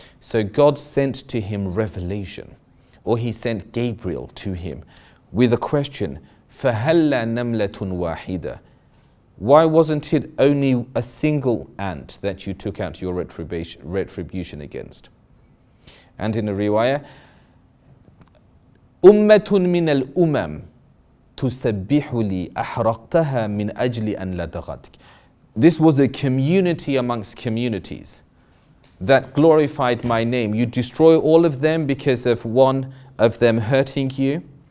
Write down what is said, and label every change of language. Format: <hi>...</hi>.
<en>So God sent to him revelation, or He sent Gabriel to him with a question,</en> <ar>فَهَلَّا نَمْلَةٌ وَاحِدَةٌ.</ar> <en>Why wasn't it only a single ant that you took out your retribution against? And in a riwayat,</en> <ar>أُمَّةٌ مِنَ الْأُمَمْ تُسَبِّحُ لِي أَحْرَقْتَهَا مِنْ أَجْلِ أَنْ لَدَغَتْكِ.</ar> <en>This was a community amongst communities that glorified my name. You destroy all of them because of one of them hurting you.</en>